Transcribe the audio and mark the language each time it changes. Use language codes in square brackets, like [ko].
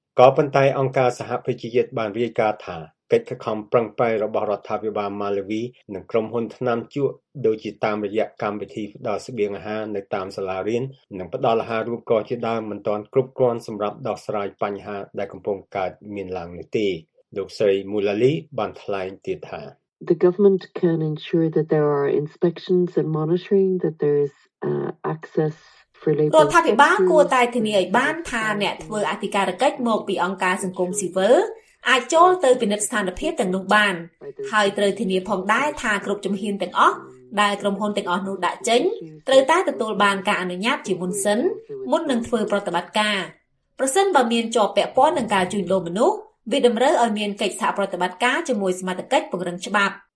[km] ក៏ប៉ុន្តែអង្គការសហប្រជាជាតិបានរាយការណ៍ថាកិច្ចខិតខំប្រឹងប្រែងរបស់រដ្ឋាភិបាលម៉ាឡាវីនិងក្រុមហ៊ុនថ្នាំជក់ដូចជាតាមរយៈកម្មវិធីផ្តល់ស្បៀងអាហារនៅតាមសាលារៀននិងផ្តល់អាហារូបករណ៍ជាដើមមិនទាន់គ្រប់គ្រាន់សម្រាប់ដោះស្រាយបញ្ហាដែលកំពុងកើតមានឡើងនេះទេលោកស្រីមូឡាលីបានថ្លែងទៀតថា [en] The government can ensure that there are inspections and monitoring that there is access [km] រដ្ឋាភិបាលគួរតែធានាឲ្យបានថាអ្នកធ្វើអធិការកិច្ចមកពីអង្គការសង្គមស៊ីវិលអាចចូលទៅពិនិត្យស្ថានភាពទាំងនោះបានហើយត្រូវធានាផងដែរថាគ្រប់ជំហានទាំងអស់ដែលក្រុមហ៊ុនទាំងអស់នោះដាក់ចេញត្រូវតែទទួលបានការអនុញ្ញាតជាមុនសិនមុននឹងធ្វើប្រតិបត្តិការប្រសិនបើមានជាប់ពាក់ព័ន្ធនឹងការជួញដូរមនុស្សវាតម្រូវឲ្យមានកិច្ចសហប្រតិបត្តិការជាមួយសមត្ថកិច្ចពង្រឹងច្បាប់